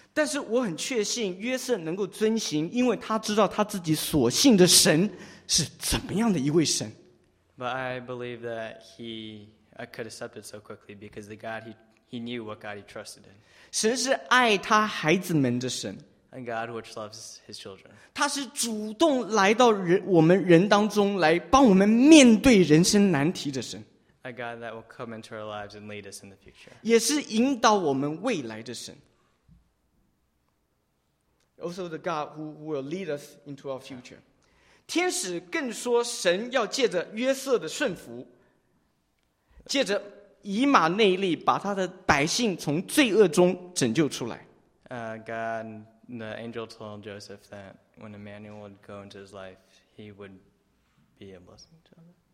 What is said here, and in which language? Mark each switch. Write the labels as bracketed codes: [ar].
[zh] 但是我很确信约瑟能够遵行，因为他知道他自己所信的神是怎么样的一位神。 [en] But I believe that he could accept it so quickly because the God he knew what God he trusted in. [zh] 神是爱他孩子们的神。 [en] And God which loves his children. [zh] 他是主动来到我们人当中来帮我们面对人生难题的神。 [en] A God that will come into our lives and lead us in the future. [zh] 也是引导我们未来的神。 [en] Also the God who will lead us into our future. [zh] 天使更说神要借着约瑟的顺服，借着以马内利把他的百姓从罪恶中拯救出来。 [en] God, the angel told Joseph that when Emmanuel would go into his life, he would be a blessing to him.